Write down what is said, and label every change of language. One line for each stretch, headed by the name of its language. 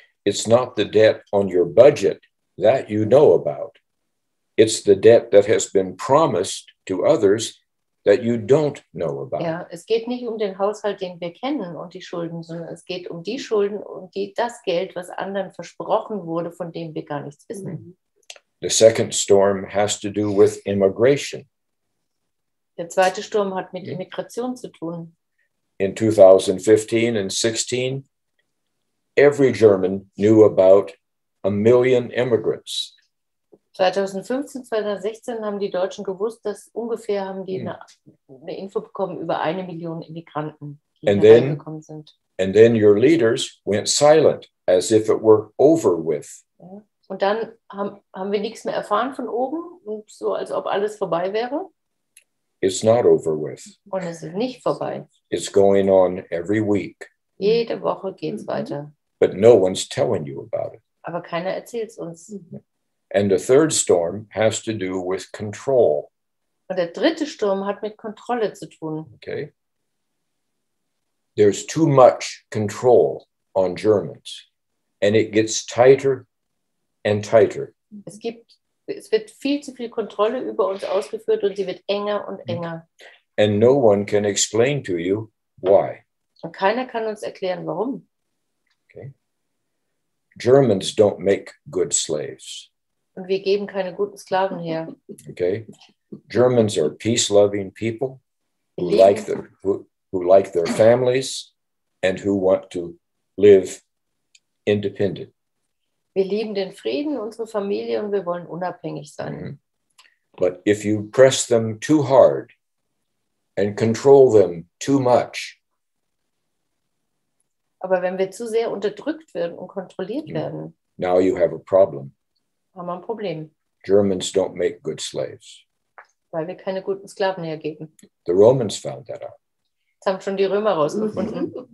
English: It's not the debt on your budget that you know about. It's the debt that has been promised to others that you don't know about.
German: Ja, es geht nicht um den Haushalt, den wir kennen, und die Schulden, sondern es geht um die Schulden und das Geld, was anderen versprochen wurde, von dem wir gar nichts wissen.
English: The second storm has to do with immigration.
German: Der zweite Sturm hat mit Immigration zu tun.
English: In 2015 and 16, every German knew about 1 million immigrants.
German: 2015, 2016 haben die Deutschen gewusst, dass ungefähr haben die eine Info bekommen über 1 Million Immigranten, die hereingekommen sind.
English: And then your leaders went silent, as if it were over with.
German: Und dann haben wir nichts mehr erfahren von oben, und so als ob alles vorbei wäre.
English: It's not over with.
German: Und es ist nicht vorbei.
English: It's going on every week.
German: Jede Woche geht es weiter.
English: But no one's telling you about it.
German: Aber keiner erzählt es uns.
English: And the third storm has to do with control.
German: Und der dritte Sturm hat mit Kontrolle zu tun.
English: Okay. There's too much control on Germans. And it gets tighter and tighter.
German: Es wird viel zu viel Kontrolle über uns ausgeführt, und sie wird enger und enger.
English: And no one can explain to you why.
German: Und keiner kann uns erklären, warum.
English: Okay. Germans don't make good slaves.
German: Und wir geben keine guten Sklaven her.
English: Okay. Germans are peace-loving people who like their families and who want to live independent.
German: Wir lieben den Frieden, unsere Familie, und wir wollen unabhängig sein. Mm-hmm.
English: But if you press them too hard and control them too much.
German: Aber wenn wir zu sehr unterdrückt werden und kontrolliert werden.
English: Now you have a problem.
German: Haben wir ein Problem.
English: Germans don't make good slaves.
German: Weil wir keine guten Sklaven hergeben.
English: The Romans found that out.
German: Das haben schon die Römer rausgefunden.